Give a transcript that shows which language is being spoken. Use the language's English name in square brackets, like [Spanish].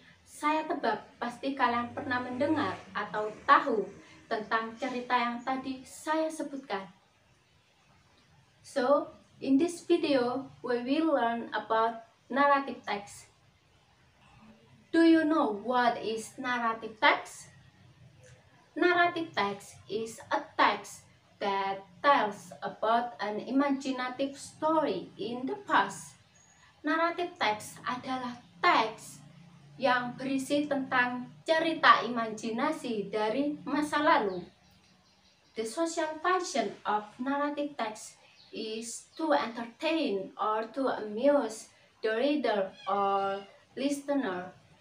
[Indonesian] Saya tebak pasti kalian pernah mendengar atau tahu tentang cerita yang tadi saya sebutkan. [English] So, in this video, we will learn about narrative text. Do you know what is narrative text? Narrative text is a text that tells about an imaginative story in the past. [Indonesian] Narrative text adalah teks yang berisi tentang cerita imajinasi dari masa lalu. [English] The social function of narrative text is to entertain or to amuse the reader or listener.